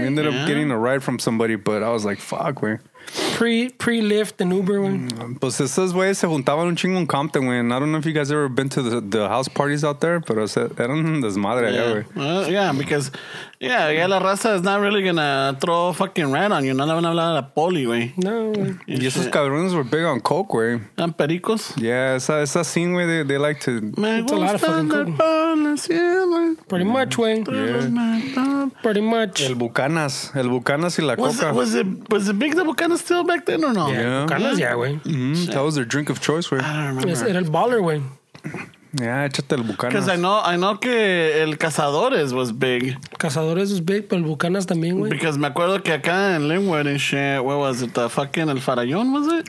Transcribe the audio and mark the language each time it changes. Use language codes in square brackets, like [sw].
[en] We ended up getting a ride from somebody, but I was like, fuck, güey. Pre-Lyft and Uber, güey. [es] Pues esos güeyes se juntaban un chingo en Compton, güey. [en] I don't know if you guys ever been to the house parties out there, [es] pero eran desmadre allá, güey. [en] Yeah, [es] la raza [en] is not really gonna throw fucking rat on you. [es] No le van a hablar a la poli, güey. No, güey. Y esos cabrones [en] were big on coke, güey. [es] ¿Eran pericos? [en] Yeah, esa scene, güey, they like to... [es] Me gustan el pan, así, güey. [en] Pretty much, güey. Yeah. Pretty much. [es] El Bucanas y la coca. [en] Was it big, the Bucanas? Still back then or no? Yeah, güey. That was their drink of choice, güey. I don't remember. [es] Era el baller, güey. Yeah, échate el Bucanas. [en] Because I know [es] que el [en] Cazadores was big. [es] Cazadores [en] was big, [es] pero el Bucanas también, güey. [en] Because [es] me acuerdo que acá en [en] Linwood and shit, where was it? The fucking El Farallón, was it?